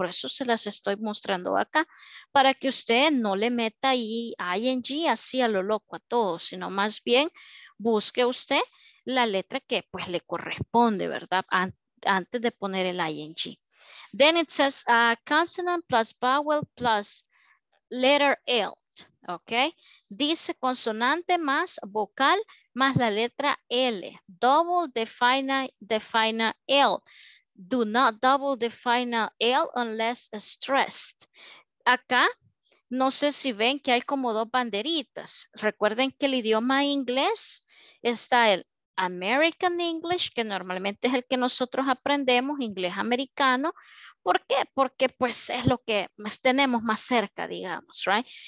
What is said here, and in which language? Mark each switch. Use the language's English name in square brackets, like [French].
[Spanish] Por eso se las estoy mostrando acá, para que usted no le meta ING así a lo loco a todo, sino más bien busque usted la letra que pues le corresponde, ¿verdad? Antes de poner el ING. [English] Then it says consonant plus vowel plus letter L. ¿Ok? [Spanish] Dice consonante más vocal más la letra L. [English] Double the final L. Do not double the final L unless stressed. [Spanish] Acá, no sé si ven que hay como dos banderitas. Recuerden que el idioma inglés está el American English, que normalmente es el que nosotros aprendemos, inglés americano. ¿Por qué? Porque pues es lo que más tenemos más cerca, digamos, [English] right?